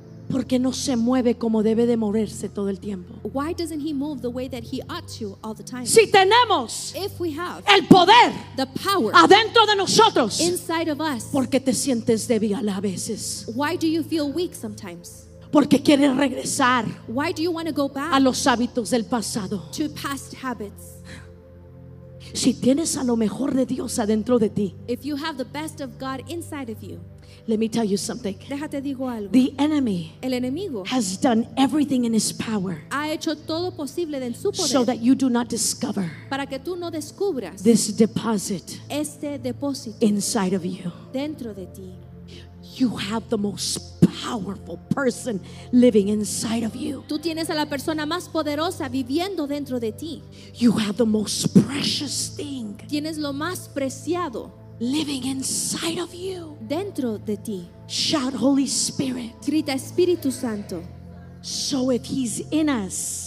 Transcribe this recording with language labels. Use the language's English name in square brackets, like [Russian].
[Spanish] porque no se mueve como debe de moverse todo el tiempo. [English] Why doesn't he move the way that he ought to all the time? [Spanish] Si tenemos, [English] if we have, [Spanish] el poder, [English] the power, [Spanish] adentro de nosotros, [English] inside of us, [Spanish] porque te sientes débil a veces. [English] Why do you feel weak sometimes? [Spanish] Porque quieres regresar, [English] why do you want to go back, [Spanish] a los hábitos del pasado, [English] to past habits. [Spanish] Si tienes a lo mejor de Dios adentro de ti, [English] if you have the best of God inside of you, let me tell you something. [Spanish] Déjate digo algo. [English] The enemy, [Spanish] el enemigo, [English] has done everything in his power, [Spanish] ha hecho todo posible en su poder, [English] so that you do not discover, [Spanish] para que tú no descubras, [English] this deposit, [Spanish] este depósito, [English] inside of you, [Spanish] dentro de ti. [English] You have the most powerful person living inside of you. [Spanish] Tú tienes a la persona más poderosa viviendo dentro de ti. [English] You have the most precious thing. [Spanish] Tienes lo más preciado [English] living inside of you. [Spanish] Dentro de ti. [English] Shout Holy Spirit. [Spanish] Grita Espíritu Santo. [English] So if he's in us,